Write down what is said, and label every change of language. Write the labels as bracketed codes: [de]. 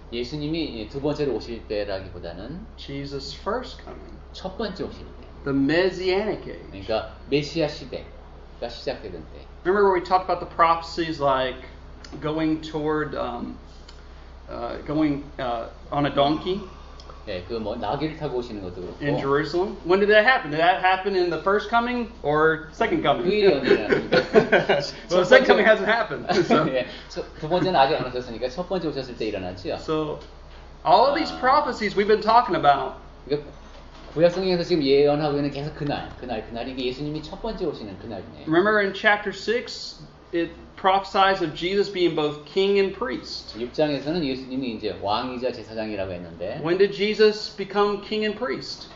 [ko] 예수님이 두 번째로 오실 때라기보다는 [en] Jesus' first coming. [ko] 첫 번째 오실 때. [en] The Messianic age. [ko] 그러니까 메시아 시대가 시작되는 때. [en] Remember when we talked about the prophecies like going toward on a donkey? [ko] 예, 그 뭐 나귀를 타고 오시는 것도 그렇고. [en] In Jerusalem? When did that happen? Did that happen in the first coming or second coming? [ko] 그 일이 언제냐? [en] Well, second coming hasn't happened. So. [ko] 예, 두 번째는 아직 안 오셨으니까 첫 번째 오셨을 때 일어났지요. [en] So, all of these prophecies we've been talking about. [ko] 구약 성경에서 지금 예언하고 있는 계속 그날 이게 예수님이 첫 번째 오시는 그날이네요. [en] Remember in chapter 6, it prophesies of Jesus being both king and priest. [ko] 6장에서는 예수님이 이제 왕이자 제사장이라고 했는데. [en] When did Jesus become king and priest?